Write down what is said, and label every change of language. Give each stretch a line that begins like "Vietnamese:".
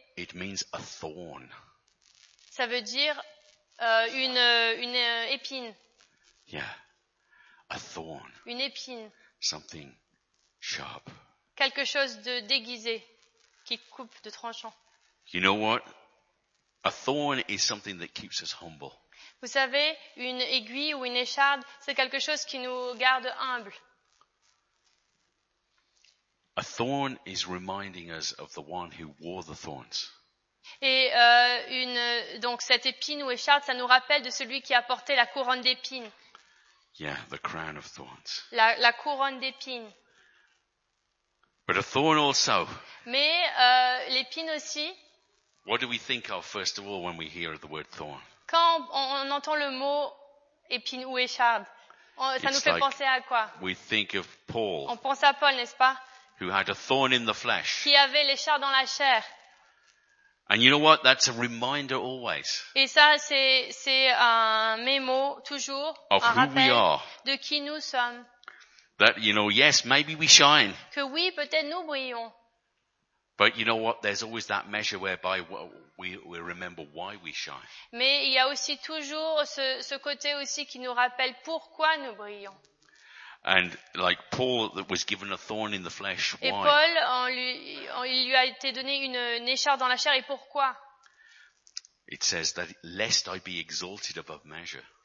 English: It means a thorn.
French: Ça veut dire une épine.
English: Yeah. A thorn.
French: Une épine.
English: Something sharp.
French: Quelque chose de déguisé qui coupe de tranchant.
English: You know what? A thorn is something that keeps us humble.
French: Vous savez, une aiguille ou une écharde, c'est quelque chose qui nous garde humble.
English: A thorn is reminding us of the one who wore the thorns.
French: Et donc cette épine ou écharde, ça nous rappelle de celui qui a porté la couronne d'épines.
English: Yeah, the crown of thorns.
French: La couronne d'épines.
English: But a thorn also.
French: Mais l'épine aussi.
English: What do we think of first of all when we hear the word thorn?
French: Quand on entend le mot épine ou écharde, ça nous fait penser à quoi?
English: We think of Paul.
French: On pense à Paul, n'est-ce pas?
English: Who had a thorn in the flesh.
French: Qui avait l'écharde dans la chair.
English: And you know what? That's a reminder always.
French: Et ça, c'est un mémo toujours,
English: of
French: un
English: who
French: rappel
English: we are.
French: De qui nous sommes.
English: That you know, yes, maybe we shine.
French: Que oui, peut-être nous brillons.
English: But you know what? There's always that measure whereby we remember why we shine.
French: Mais il y a aussi toujours ce côté aussi qui nous rappelle pourquoi nous brillons.
English: And like Paul, that was given a thorn in the flesh.
French: Et
English: why?
French: Paul, il lui a été donné une écharde dans la chair. Et pourquoi?
English: It says that lest I be exalted above measure.